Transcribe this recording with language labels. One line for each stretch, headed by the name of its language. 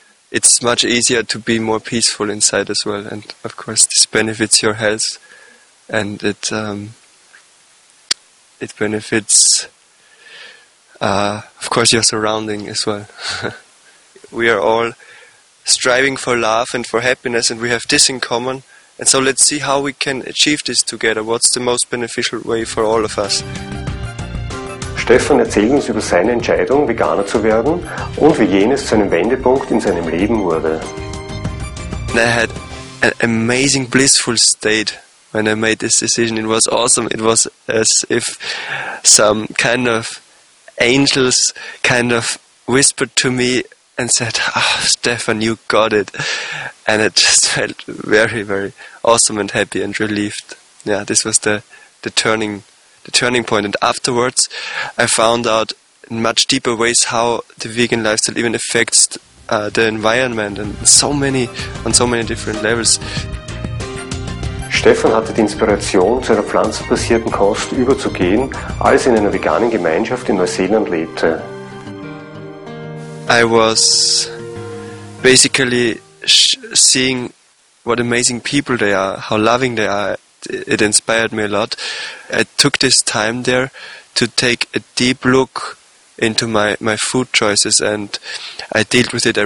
English: It's much easier to be more peaceful inside as well, and of course this benefits your health, and it benefits of course your surrounding as well. We are all striving for love and for happiness, and we have this in common, and so let's see how we can achieve this together. What's the most beneficial way for all of us?
German: Stefan erzählt uns über seine Entscheidung, Veganer zu werden und wie jenes zu einem Wendepunkt in seinem Leben wurde.
English: I had an amazing, blissful state when I made this decision. It was awesome. It was as if some kind of angels kind of whispered to me and said, "Ah, Stefan, you got it." And it just felt very, very awesome and happy and relieved. Yeah, this was the turning point, and afterwards I found out in much deeper ways how the vegan lifestyle even affects the environment and on so many different levels.
German: Stefan hatte die Inspiration, zu einer pflanzenbasierten Kost überzugehen, als er in einer veganen Gemeinschaft in Neuseeland lebte.
English: I was basically seeing what amazing people they are, how loving they are. It inspired me a lot. I took this time there to take a deep look into my food choices, and I dealt with it.